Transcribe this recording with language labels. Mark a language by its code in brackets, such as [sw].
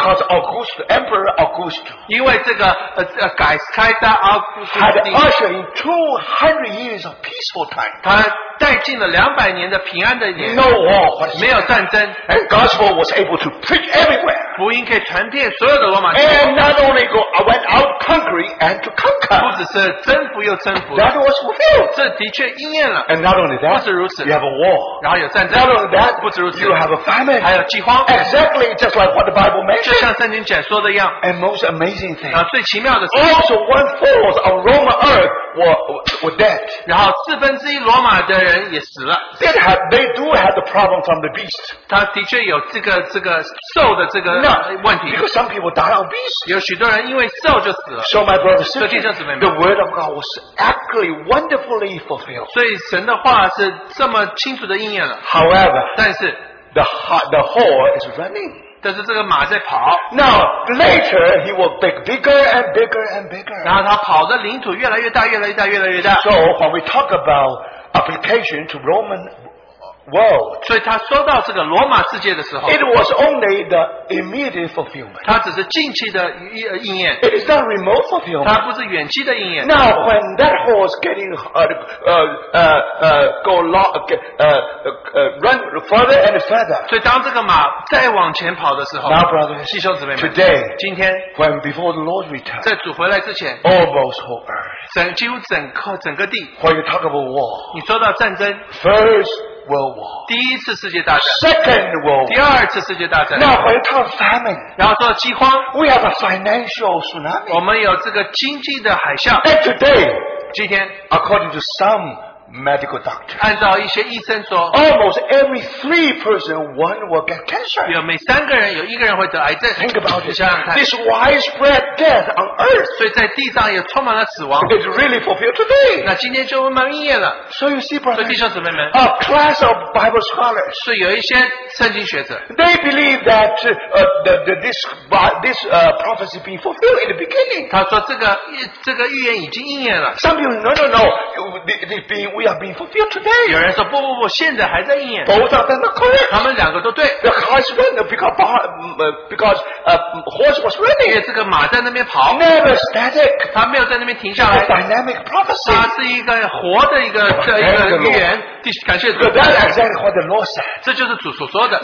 [en] Because August, Emperor August, [zh] 因为这个, 改开的, [en] had ushered in 200 years of peaceful time. [zh] 带进了200年的平安的年，no [en] war, [zh] 没有战争, [en] and gospel was able to preach everywhere. [zh] 福音可以传遍所有的罗马帝国。 [en] And not only go, I went out conquering and to conquer. [zh] 不只是征服又征服, [en] that was fulfilled. [zh] 这的确应验了。 [en] And not only that, [zh] 不止如此, [en] you have a war. [zh] 然后有战争, [en] not only that, [zh] 不止如此, [en] you have a famine. [zh] 还有饥荒, [en] exactly just like what the Bible mentioned. [zh] 就像圣经解说的一样, [en] and most amazing thing, [zh] 最奇妙的是, [en] also one fourth of Roman earth were dead. [zh] 然后四分之一罗马的 [en] They do have the problem from the beast. [zh] 他的确有这个兽的这个问题。 [en] No, because some people die of beast. [zh] 有许多人因为兽就死了。 [en] So my brother, the word of God was actually wonderfully fulfilled. [zh] 所以神的话是这么清楚的应验了。 [en] However, [zh] 但是, [en] the whore is running. [zh] 但是这个马在跑, [en] now, later, he will get bigger and bigger and bigger. [zh] 然后他跑的领土越来越大。 [en] So when we talk about application to Roman world, [zh] 所以他说到这个罗马世界的时候, [en] it was only the immediate fulfillment. [zh] 它只是近期的应验, [en] it is not remote fulfillment. [zh] 它不是远期的应验. [en] Now, when that horse getting run further and further, [zh] 所以当这个马再往前跑的时候, [en] now, brothers, [zh] 弟兄姊妹们, [en] today, [zh] 今天, [en] when before the Lord returns, [zh] 在主回来之前, [en] almost whole earth, [zh] 几乎整个地, [en] when you talk about war, [zh] 你说到战争, [en] first world war, [zh] 第一次世界大战, [en] second world war, [zh] 第二次世界大战, [en] now when you talk famine, [zh] 然后说饥荒, [en] we have a financial tsunami, [zh] 我们有这个经济的海啸, [en] and today, [zh] 今天, [en] according to some medical doctor, [zh] 按照一些医生说, [en] almost every three person, one will get cancer. [zh] 有每三个人有一个人会得癌症。 [en] Think about [zh] it. 想想看, [en] this widespread death on earth, [zh] 所以在地上也充满了死亡, [en] it's really fulfilled today. [zh] 那今天就慢慢应验了。 [en] So you see, brothers, [zh] 弟兄姊妹们, [en] a class of Bible scholars, [zh] 是有一些圣经学者, [en] they believe that this prophecy being fulfilled in the beginning. [zh] 他说这个预言已经应验了。 [en] Some people, no, we are being fulfilled today. [zh] 有人说, 不, 现在还在应验, [en] both of them are correct. [zh] 他们两个都对, [en] the horse went because horse was running. [zh] 因为这个马在那边跑, [en] never static. [zh] 他没有在那边停下来, [en] it's a dynamic prophecy. [zh] 它是一个活的一个, [en] that's exactly what the Lord said.